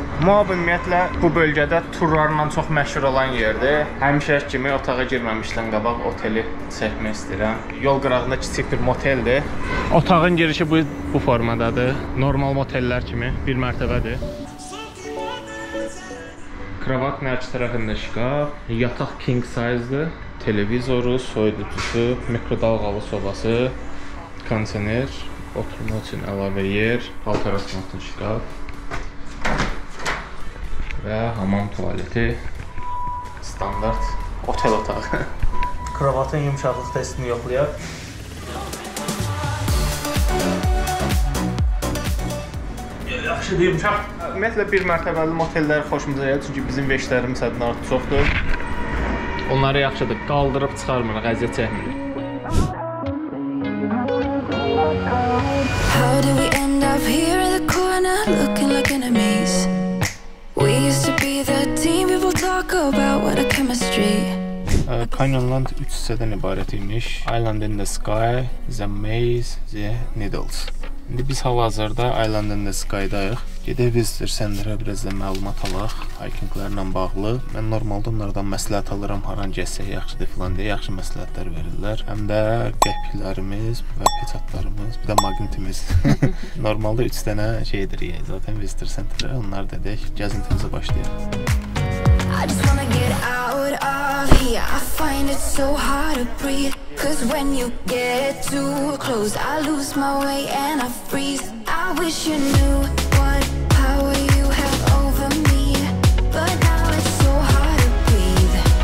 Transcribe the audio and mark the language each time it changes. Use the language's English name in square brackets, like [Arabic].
[Azerbaijani] Moab ümumiyyətlə bu bölgədə turlarından çox məşhur olan yerdir. Həmişə kimi otağa girməmişdən qabaq oteli çəkmək istəyirəm. Yol qırağında kiçik bir moteldir. Otağın girişi bu formadadır. Normal motellər kimi bir mərtəbədir. Kravatın hər iki tərəfində şiqaf, yataq king size-dır, televizoru, soyuducusu, mikrodalğalı sobası, kondisioner, oturma üçün əlavə yer, paltar açmaqın şiqaf və hamam tualeti, standart otel otağı. Kravatın yumşaqlıq testini yoxlayaq. Yaxşı deyim, ümumiyyətlə bir mərtəbəli motelləri xoşumuza gəlir, çünki bizim veşlərimiz həddindən artıq çoxdur. Onları yaxşıdır, qaldırıb çıxarmırıq, əziyyət çəkmirik. [English] How do we end up here in the corner looking like enemies? We used to be the team we would talk about what a chemistry. [Azerbaijani] Canyon Land 3 hissədən ibarət imiş. Island in the Sky, The Maze, The Needles. İndi biz hal-hazırda Island in the Sky-dayıq. Gedək Visitor Center-ə biraz da məlumat alaq hikinglərlə bağlı. Mən normalda onlardan məsləhət alıram, haran gəlsək yaxşıdır filan deyə yaxşı məsləhətlər verirlər. Həm də qəpiklərimiz və peçatlarımız, bir də magnetimiz. Normalda 3 dənə şeydir yəni zaten Visitor Center-ə, onlar dedik, gəzintimizə başlayaq. [English] I just wanna get out of here. I find it so hard to breathe. 'Cause when you get too close, I lose my way and I freeze. I wish you knew what power you have over me. But now it's so hard to breathe.